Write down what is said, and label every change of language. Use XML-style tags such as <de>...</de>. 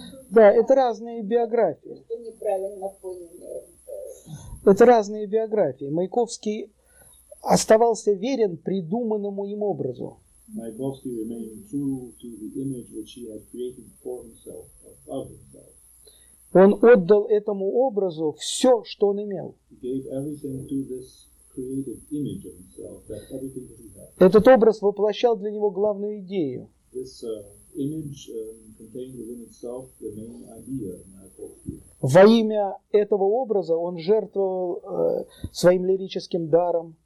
<ru>Да, это разные биографии. Вы неправильно поняли. Это разные биографии. Маяковский оставался верен придуманному им образу.</ru> <en>Маяковский remained true to the image which he had created for himself, of himself.</en> <ru>Он отдал этому образу все, что он имел.</ru> <en>He gave everything to this created image of himself, that everything that he had.</en> <ru>Этот образ воплощал для него главную идею.</ru> <en>This image contained within itself the main idea of Маяковский.</en> <ru>Во имя этого образа он жертвовал своим лирическим даром.</ru>